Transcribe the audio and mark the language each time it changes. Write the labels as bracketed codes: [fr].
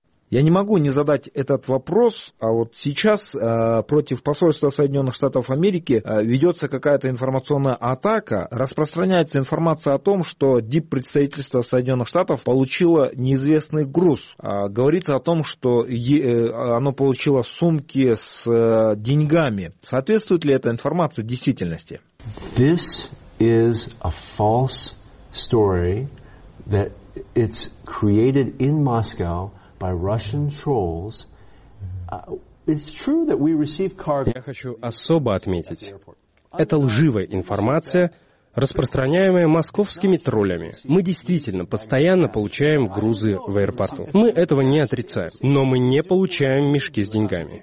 [ru] Я не могу не задать этот вопрос, а вот сейчас против посольства Соединенных Штатов Америки ведется какая-то информационная атака, распространяется информация о том, что диппредставительство Соединенных Штатов получило неизвестный груз. Говорится о том, что оно получило сумки с деньгами. Соответствует ли эта информация действительности? [en] This is a false story that it's created in Moscow. By Russian trolls. It's true that we received cargo. [ru] Я хочу особо отметить, это лживая информация, распространяемая московскими троллями. Мы действительно постоянно получаем грузы в аэропорту. Мы этого не отрицаем, но мы не получаем мешки с деньгами.